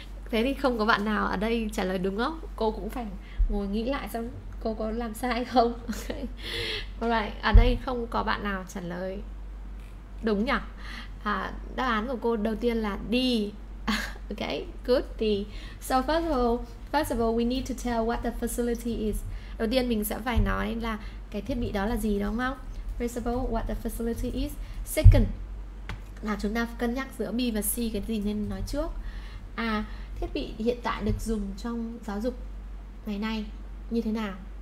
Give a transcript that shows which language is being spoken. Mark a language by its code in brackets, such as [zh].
[vi] Thế thì không có bạn nào ở đây trả lời đúng không? Cô cũng phải ngồi nghĩ lại xem cô có làm sai không. Okay. Alright, ở đây không có bạn nào trả lời đúng nhỉ? À, đáp án của cô đầu tiên là D. [en] Okay, good D. So first of all, we need to tell what the facility is. [vi] Đầu tiên mình sẽ phải nói là cái thiết bị đó là gì đúng không? [en] First of all, what the facility is. Second, [vi] là chúng ta cân nhắc giữa B và C, cái gì nên nói trước. À, thiết bị hiện tại được dùng trong giáo dục ngày nay như thế nào?